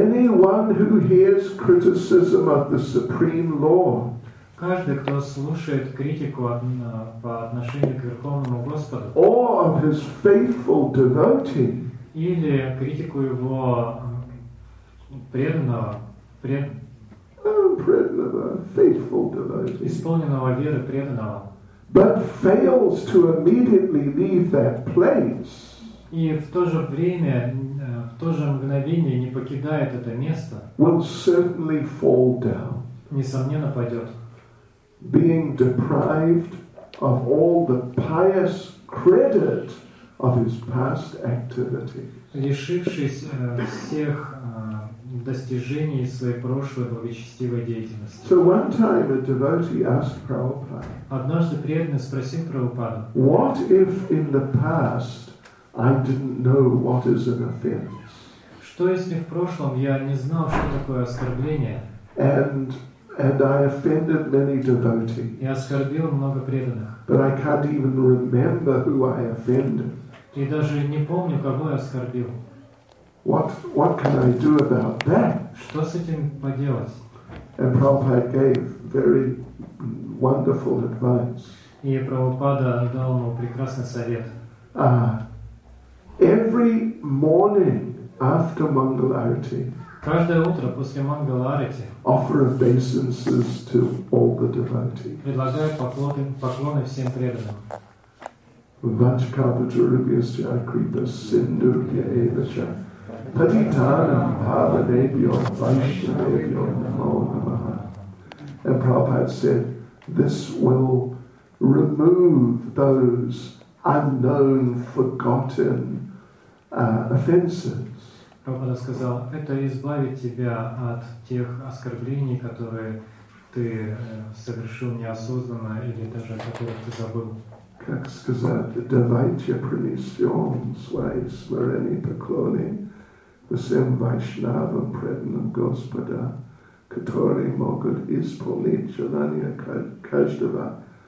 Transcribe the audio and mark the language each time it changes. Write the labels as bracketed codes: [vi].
[en] Anyone who hears criticism of the Supreme Lord. [ru] Каждый, кто слушает критику по отношению к Верховному Господу. [en] Or of his faithful devotee. [ru] Или критику его преданного, [en] faithful devotee. [ru] Исполненного веры преданного. [en] But fails to immediately leave that place. [ru] И в то же время, в то же мгновение не покидает это место. [en] Will certainly fall down. [ru] Несомненно пойдет. [en] Being deprived of all the pious credit of his past activities. [ru] Лишившись всех достижений своей прошлой благочестивой деятельности. [en] So one time a devotee asked Prabhupada. [ru] Однажды преданный спросил Прабхупаду. [en] What if in the past I didn't know what is an offense? [ru] Что если в прошлом я не знал, что такое оскорбление? [en] And I offended many devotees. [ru] Я оскорбил много преданных. [en] But I can't even remember who I offended. [ru] И даже не помню, кого я оскорбил. [en] What can I do about that? [ru] Что с этим поделать? [en] And Prabhupada gave very wonderful advice. [ru] И Прабхупада дал ему прекрасный совет. [en] Every morning after Mangala Arati. [ru] Каждое утро после Мангала Арати. [en] Offer obeisances to all the devotees. [ru] Предлагаю поклоны всем преданным. [sa] Vajkabhadurubhyasya kripa sindurya evacha. Patitanam bhavadebhyo vaishnavebhyo namo namaha. [en] And Prabhupada said, this will remove those unknown, forgotten offenses. [ru] Прабхупада сказал, это избавит тебя от тех оскорблений, которые ты совершил неосознанно или даже о которых ты забыл. Как сказать, давайте принесем свои смирени поклони всем вайшнавам преданным Господа, которые могут исполнить желание каждого